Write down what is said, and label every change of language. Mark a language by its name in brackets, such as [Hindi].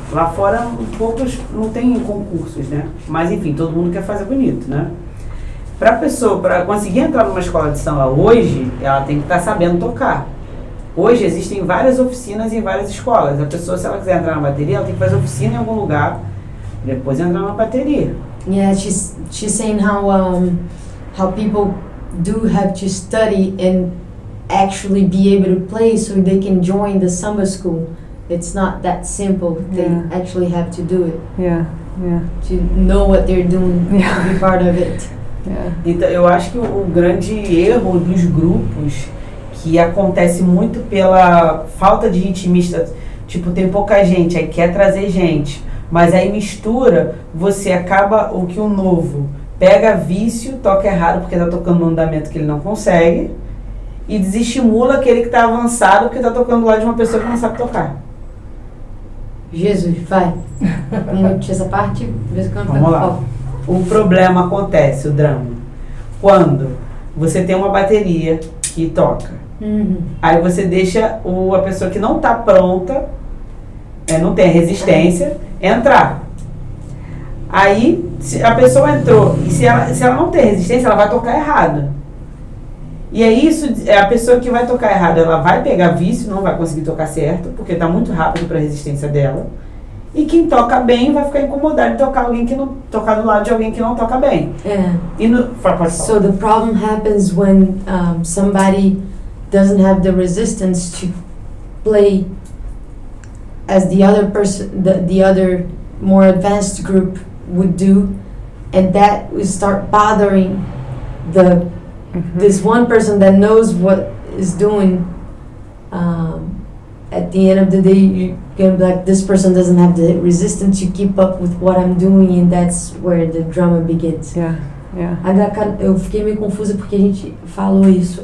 [Portuguese] Lá fora, poucos não têm concursos, né? Mas enfim, todo mundo quer fazer bonito, né? Para a pessoa, para conseguir entrar numa escola de samba hoje, ela tem que estar sabendo tocar. Hoje existem várias oficinas em várias escolas. A pessoa, se ela quiser entrar na bateria, ela tem que fazer oficina em algum lugar, depois entrar na bateria. [English] Yeah, she's saying how people do have to study and actually be able to play so they can join the samba school. It's not that simple. They actually have to do it. Yeah, yeah. To know what they're doing, to be part of it. Yeah. [Portuguese] Então, eu acho que o grande erro dos grupos, que acontece muito pela falta de ritmista, tipo, tem pouca gente, aí quer trazer gente, mas aí mistura, você acaba, o que o novo pega vício, toca errado porque está tocando um andamento que ele não consegue, e desestimula aquele que está avançado porque está tocando lá de uma pessoa que não sabe tocar. Jesus, vai. Essa parte, vez que eu não tenho. O problema acontece, o drama, quando você tem uma bateria que toca. Uhum. Aí você deixa a pessoa que não está pronta, não tem resistência, entrar. Aí, se a pessoa entrou, e se ela não tem resistência, ela vai tocar errado. E é isso, é a pessoa que vai tocar errado, ela vai pegar vício, não vai conseguir tocar certo, porque está muito rápido para a resistência dela. E quem toca bem vai ficar incomodado de tocar alguém que não tocar do lado de alguém que não toca bem. [English] Yeah. [Portuguese] E no, [English] so the problem happens when somebody doesn't have the resistance to play as the other person, the other more advanced group would do, and that would start bothering the this one person that knows what is doing. At the end of the day, you're going to be like, this person doesn't have the resistance to keep up with what I'm doing, and that's where the drama begins. Yeah, yeah. [Portuguese] Eu fiquei meio confusa porque a gente falou isso.